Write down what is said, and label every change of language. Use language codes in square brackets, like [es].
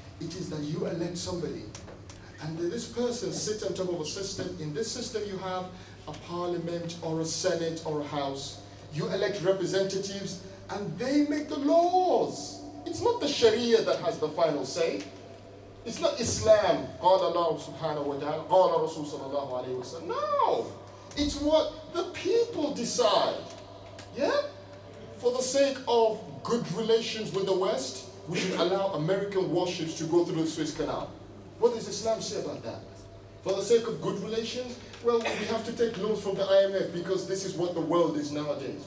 [en] it is that you elect somebody, and this person sits on top of a system. In this system, you have a parliament or a senate or a house. You elect representatives, and they make the laws. It's not the Sharia that has the final say. It's not Islam. [ar] قال الله سبحانه وتعالى قال رسول صلى الله عليه وسلم. [en] No, it's what the people decide. Yeah, for the sake of good relations with the West, we should allow American warships to go through the Suez Canal. What does Islam say about that? For the sake of good relations, well, we have to take loans from the IMF because this is what the world is nowadays.